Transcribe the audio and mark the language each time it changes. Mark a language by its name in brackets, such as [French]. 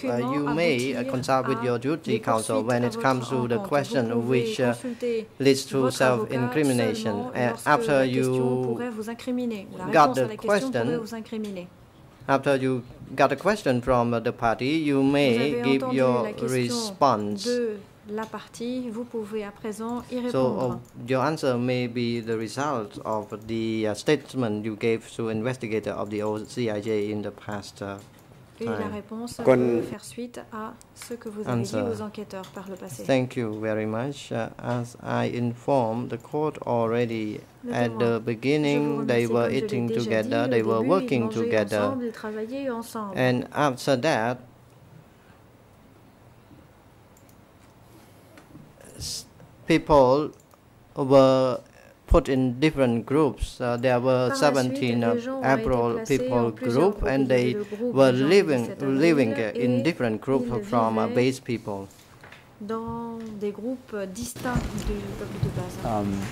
[English] You may consult with your duty counsel when it comes to the question which leads to self incrimination. After you got the question. After you got a question from the party, you may give your response. [French] De la partie, vous pouvez à présent y répondre. [English] So your answer may be the result of the statement you gave to investigator of the OCIJ in the past time. [French] Et la réponse peut faire suite à ce que vous avez dit aux enquêteurs par le passé. [English] Thank you very much. As I informed the court already, at the beginning, they were eating together, they were working together. And after that, people were put in different groups. There were 17 April people group, and they were living in different groups from base people. [French] Dans des groupes distincts du peuple de base.